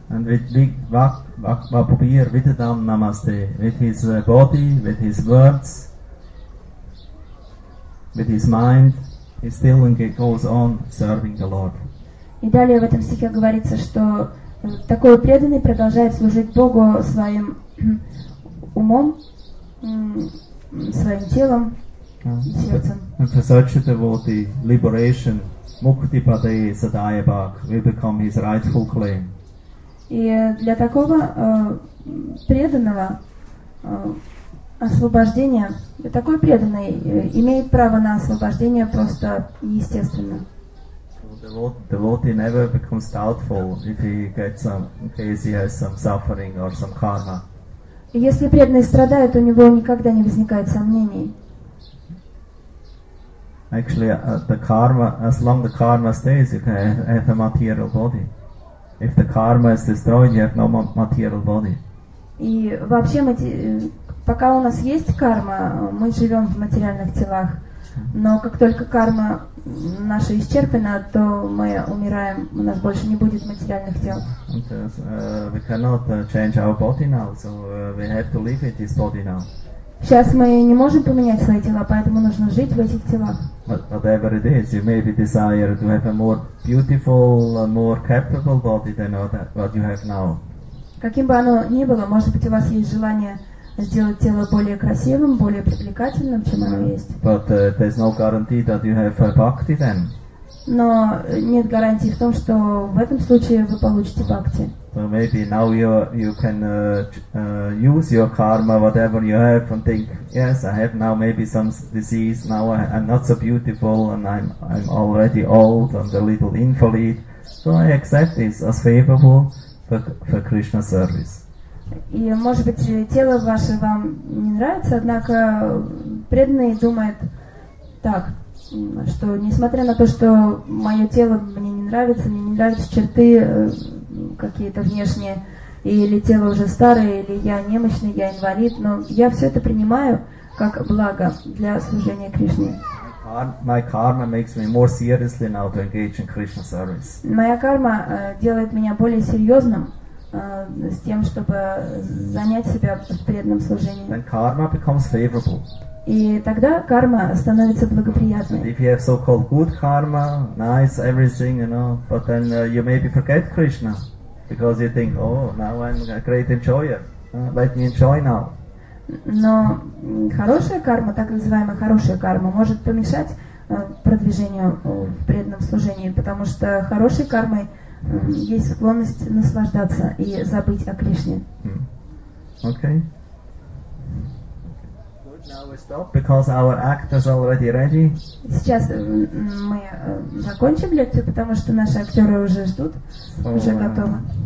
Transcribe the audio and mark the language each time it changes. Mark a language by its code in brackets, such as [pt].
[en] And with big Vakvapubir Vidadam Namaste, with his body, with his words, with his mind, he still goes on serving the Lord. [ru] И далее в этом стихе говорится, что такой преданный продолжает служить Богу своим умом, своим телом, сердцем. [en] For such a devotee, liberation, mukti pade sadaya bhag, will become his rightful claim. [ru] И для такого преданного освобождения, такой преданный имеет право на освобождение просто естественно. [en] Devotee never becomes doubtful if he gets some, in case he has some suffering or some karma. [ru] Если преданный страдает, у него никогда не возникает сомнений. [en] Actually, the karma, as long the karma stays, you can have a material body. If the karma is destroyed, you have no material body. [ru] И вообще, пока у нас есть карма, мы живем в материальных телах. Но как только карма наша исчерпана, то мы умираем, у нас больше не будет материальных тел. [en] We cannot change our body now, so we have to live in this body now. [ru] Сейчас мы не можем поменять свои тела, поэтому нужно жить в этих телах. [en] But whatever it is, you may be desired to have a more beautiful, more capable body than what you have now. [ru] Каким бы оно ни было, может быть, у вас есть желание сделать тело более красивым, более привлекательным, чем оно есть. [en] But there's no guarantee that you have a bhakti then. [ru] Но нет гарантии в том, что в этом случае вы получите бхакти. [en] So maybe now you can use your karma, whatever you have, and think, yes, I have now maybe some disease, now I'm not so beautiful, and I'm already old and a little invalid. So I accept this as favorable for Krishna service. [ru] И, может быть, тело ваше вам не нравится, однако преданный думает так, что несмотря на то, что мое тело мне не нравятся черты какие-то внешние, или тело уже старое, или я немощный, я инвалид, но я все это принимаю как благо для служения Кришне. [en] My karma makes me more seriously now to engage in Krishna service. [ru] Моя карма делает меня более серьезным с тем, чтобы занять себя в преданном служении. [en] Then karma becomes favorable. [ru] И тогда карма становится благоприятной. [en] If you have so-called good karma, nice everything, you know, but then you maybe forget Krishna, because you think, oh, now I'm a great enjoyer. Let me enjoy now. [ru] Но хорошая карма, так называемая хорошая карма, может помешать продвижению в преданном служении, потому что хорошей кармой есть склонность наслаждаться и забыть о Кришне. [en] Okay. Good, now we stop because our act is already ready. [ru] Сейчас мы закончим лекцию, потому что наши актеры уже ждут, уже готовы.